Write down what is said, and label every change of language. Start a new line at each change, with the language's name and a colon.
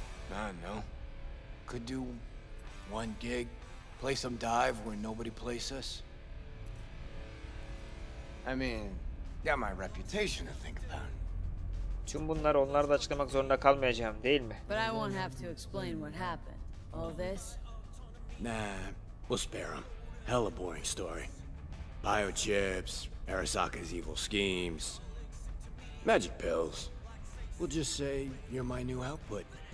English: Nah, no. Could do one gig, play some dive where nobody plays us. I mean, got my reputation to think about.
Turkish: Tüm bunları onlara da açıklamak zorunda kalmayacağım, değil mi?
English: But I won't have to explain what happened. All this? Nah, we'll spare him. Hella boring story. Biochips, Arasaka's evil schemes, magic pills. We'll just say you're my new output.